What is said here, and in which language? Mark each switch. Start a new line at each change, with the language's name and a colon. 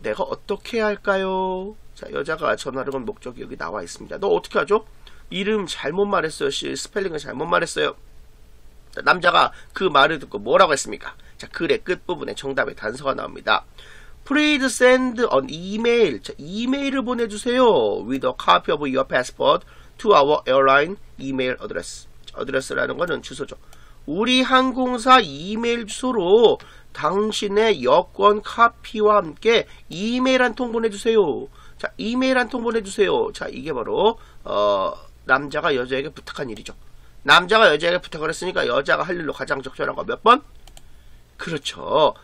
Korean: 내가 어떻게 해야 할까요? 자, 여자가 전화를 건 목적이 여기 나와 있습니다. 너 어떻게 하죠? 이름 잘못 말했어요. 스펠링을 잘못 말했어요. 자, 남자가 그 말을 듣고 뭐라고 했습니까? 자, 글의 끝부분에 정답의 단서가 나옵니다.
English: Please send an email.
Korean: 자, 이메일을 보내주세요.
English: With a copy of your passport to our airline email address.
Korean: 자, address라는 거는 주소죠. 우리 항공사 이메일 주소로 당신의 여권 카피와 함께 이메일 한 통 보내주세요. 자, 이메일 한 통 보내주세요. 자, 이게 바로 남자가 여자에게 부탁한 일이죠. 남자가 여자에게 부탁을 했으니까 여자가 할 일로 가장 적절한 거 몇 번? 그렇죠.